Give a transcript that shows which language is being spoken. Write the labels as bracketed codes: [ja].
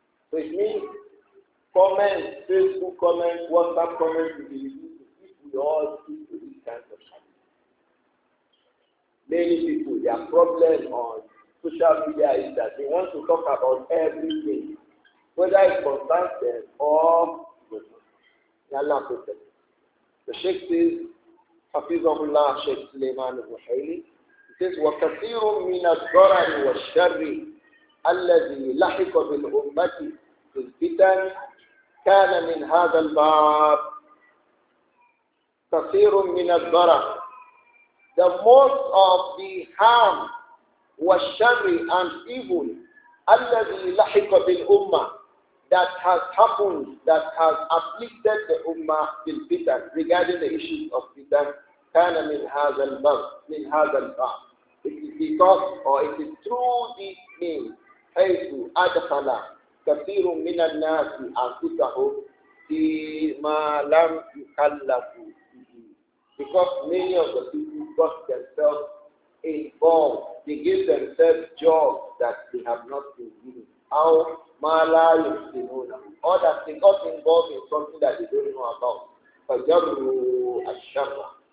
[en] So it means comments, Facebook comments, WhatsApp comments will be reduced if we all speak to these kinds of things. Many people, their problem on social media is that they want to talk about everything, whether it concerns them or Allah protects. The Sheikh says, Hafizahullah Sheikh Suleiman al-Muhayli, he says, [ar] وَكَثِيرٌ مِنَ الضَّرَرِ وَالشَّرِّ الذي لحق بالأمة في الفتن كان من هذا الباب كثير من الضرر. [en] The most of the harm [ar] والشر [en] and evil [ar] الذي لحق بالأمة [en] that has happened, that has afflicted the Ummah [ar] في الفتن [en] regarding the issues of fitan [ar] كان من هذا الباب [en] من هذا الباب. It is because or it is through this means [ar] حيث أدخل كثير من الناس أنفسهم فيما لم يكلفوا به. [en] Because many of the people got themselves involved. They give themselves jobs that they have not been given. [ar] أو ما لا يحسنون. [en] Or that they got involved in something that they don't know about. [ar] فجروا الشر.